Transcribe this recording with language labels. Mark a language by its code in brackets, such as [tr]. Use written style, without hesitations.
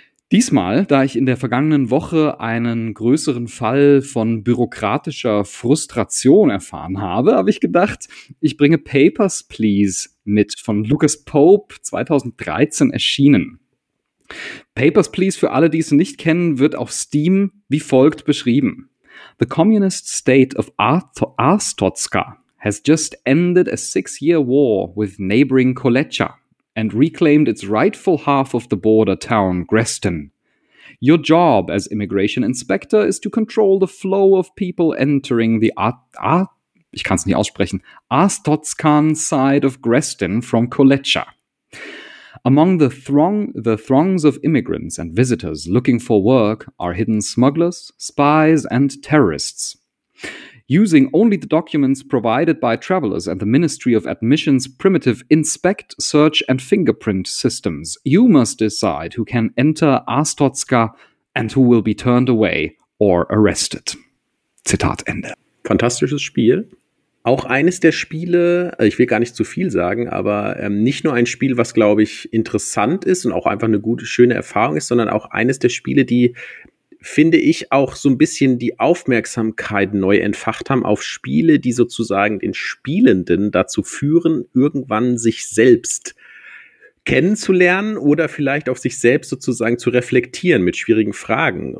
[de] Diesmal, da ich in der vergangenen Woche einen größeren Fall von bürokratischer Frustration erfahren habe, habe ich gedacht, ich bringe Papers, Please mit von Lucas Pope, 2013 erschienen. Papers, Please, für alle, die es nicht kennen, wird auf Steam wie folgt beschrieben. [en] The communist state of Arstotzka has just ended a 6-year war with neighboring Kolecha and reclaimed its rightful half of the border town, Greston. Your job as immigration inspector is to control the flow of people entering the Arstotzkan side of Greston from Kolecha. Among the throngs of immigrants and visitors looking for work are hidden smugglers, spies, and terrorists. Using only the documents provided by travelers and the Ministry of Admission's primitive inspect, search, and fingerprint systems, you must decide who can enter Arstotzka and who will be turned away or arrested. [de] Zitat Ende. Fantastisches Spiel. Auch eines der Spiele, ich will gar nicht zu viel sagen, aber nicht nur ein Spiel, was, glaube ich, interessant ist und auch einfach eine gute, schöne Erfahrung ist, sondern auch eines der Spiele, die, finde ich, auch so ein bisschen die Aufmerksamkeit neu entfacht haben auf Spiele, die sozusagen den Spielenden dazu führen, irgendwann sich selbst kennenzulernen oder vielleicht auf sich selbst sozusagen zu reflektieren mit schwierigen Fragen.